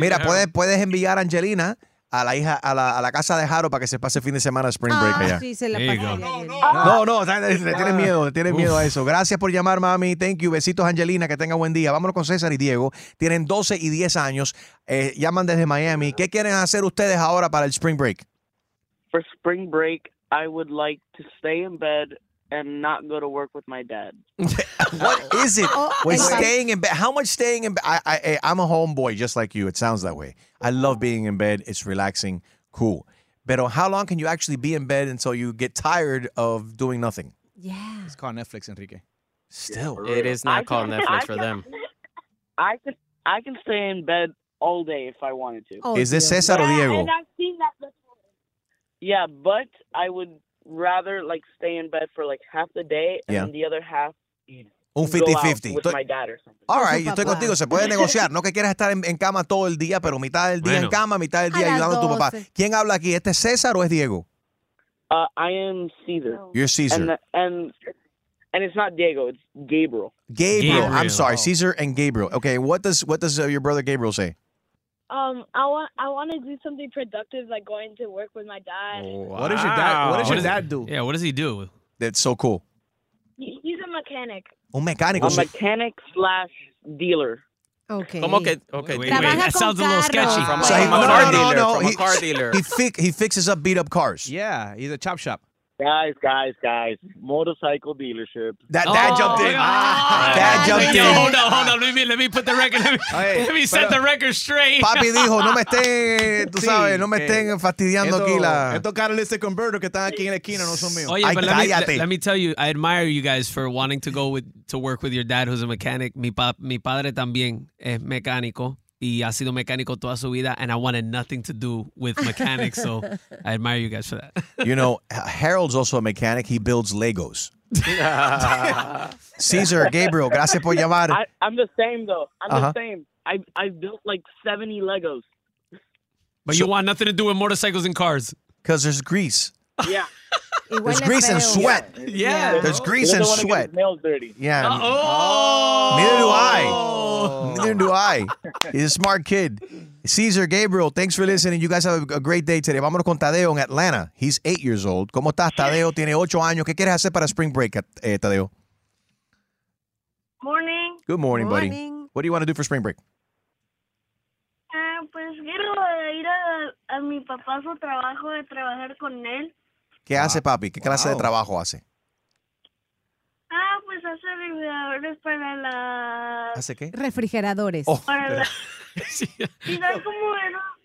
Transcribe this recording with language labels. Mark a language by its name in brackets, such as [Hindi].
[Spanish] Mira, puedes enviar a Angelina a la hija a la casa de Jaro para que se pase fin de semana spring break allá. Sí, se la pasa. No, tienes miedo a eso. Gracias por llamar, mami. [English] Thank you. [Spanish] Besitos, Angelina, que tenga buen día. Vámonos con César y Diego. Tienen 12 y 10 años. Llaman desde Miami. ¿Qué quieren hacer ustedes ahora para el spring break? [English] For spring break, I would like to stay in bed and not go to work with my dad. What is it? We're staying in bed. How much staying in bed? I'm a homeboy just like you. It sounds that way. I love being in bed. It's relaxing. Cool. But how long can you actually be in bed until you get tired of doing nothing? Yeah. It's called Netflix, Enrique. Still. Yeah, it is not called Netflix for them. I can stay in bed all day if I wanted to. Oh, is this Cesar or Diego? And I've seen that before. Yeah, but I would rather like stay in bed for like half the day and the other half, [Spanish] un 50-50. [English] With my dad or something. All right, [Spanish] yo estoy contigo. Se puede negociar. No que quieras estar en cama todo el día, pero mitad del día en cama, mitad del día ayudando a tu papá. ¿Quién habla aquí? ¿Este es César o es Diego? [English] I am Caesar. You're Caesar. And it's not Diego. It's Gabriel. Gabriel. I'm sorry. Caesar and Gabriel. Okay, what does your brother Gabriel say? I want to do something productive, like going to work with my dad. Wow. What does your dad do? Yeah, what does he do? That's so cool. He's a mechanic. [Spanish] Un mecánico. [English] A mechanic / dealer. Okay. [Spanish] ¿Cómo que? Okay. [English] Wait. That sounds a little sketchy. From a car dealer. He fixes up beat up cars. Yeah, he's a chop shop. Guys. Motorcycle dealership. Dad jumped in. Dad jumped in. Hold on. Let me put the record. Let me set the record straight. [Spanish] Papi dijo, no me estén, tú sabes, no me estén fastidiando aquí. Estos catalyst converters que están aquí en la esquina no son míos. [English] Oye, let me tell you, I admire you guys for wanting to go to work with your dad, who's a mechanic. [Spanish] Mi padre también es mecánico. Y ha sido mecánico toda su vida, [English] and I wanted nothing to do with mechanics, so I admire you guys for that. You know, Harold's also a mechanic. He builds Legos. Caesar, Gabriel, [Spanish] gracias por llamar. [English] I'm the same, though. I'm the same. I've built like 70 Legos. But so, you want nothing to do with motorcycles and cars? Because there's grease. Yeah. There's grease and sweat. Yeah. There's grease and sweat. Nails dirty. Yeah. Oh. Neither do I. He's a smart kid. Caesar, Gabriel, thanks for listening. You guys have a great day today. [Spanish] Vámonos con Tadeo en Atlanta. [English] He's 8 years old. [Spanish] ¿Cómo estás, Tadeo? Tiene 8 años. ¿Qué quieres hacer para spring break, Tadeo? [English] Morning. Good morning, buddy. What do you want to do for spring break? [Spanish] Pues quiero ir a mi papá su trabajo de trabajar con él. ¿Qué hace, papi? ¿Qué clase de trabajo hace? Pues hace refrigeradores para la... ¿Hace qué? Refrigeradores. Oh, para la... sí. Y sabes cómo era...